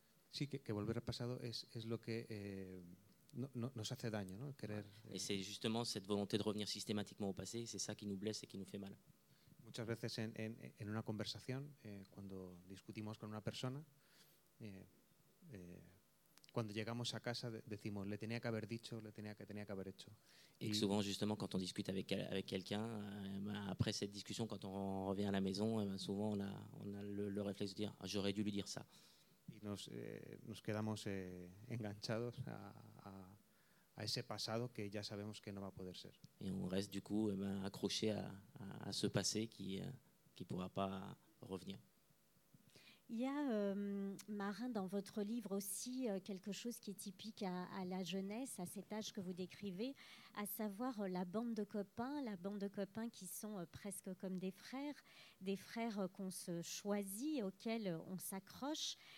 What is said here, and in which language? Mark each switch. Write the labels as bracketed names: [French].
[Spanish] Sí, que volver al pasado es lo que nos hace daño, ¿no? Querer. [French] Et c'est justement cette volonté de revenir systématiquement au passé, c'est ça qui nous blesse et qui nous fait mal. [Spanish] Muchas veces en una conversación, cuando discutimos con una persona, cuando llegamos a casa decimos, le tenía que haber dicho, le tenía que haber hecho. [French] Y souvent, justement, cuando discute avec quelqu'un, après cette discussion, cuando on revient a la maison, souvent on a le réflexe de dire, j'aurais dû lui dire ça. [Spanish] Y nos quedamos enganchados a ese pasado que ya sabemos que no va a poder ser. [French] Et on reste du coup accroché à ce passé qui ne pourra pas revenir. Il y a, Marin, dans votre livre aussi, quelque chose qui est typique à la jeunesse, à cet âge que vous décrivez, à savoir la bande de copains qui sont presque comme des frères qu'on se choisit, auxquels on s'accroche.